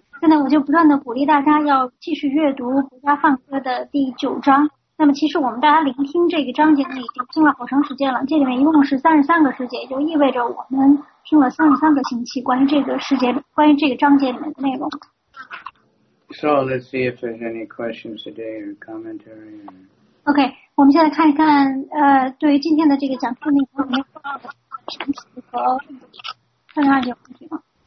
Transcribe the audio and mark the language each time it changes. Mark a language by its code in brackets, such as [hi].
[zh] 现在我就不断的鼓励大家要继续阅读《薄伽梵歌》的第九章。那么，其实我们大家聆听这个章节呢，已经听了好长时间了。这里面一共是33个世界，也就意味着我们听了33个星期关于这个世界、关于这个章节里面的内容。 [en] So let's see if there's any questions today or commentary. OK. [zh] 我们现在看一看，对于今天的这个讲座内容有没有重要的问题和看看有问题吗？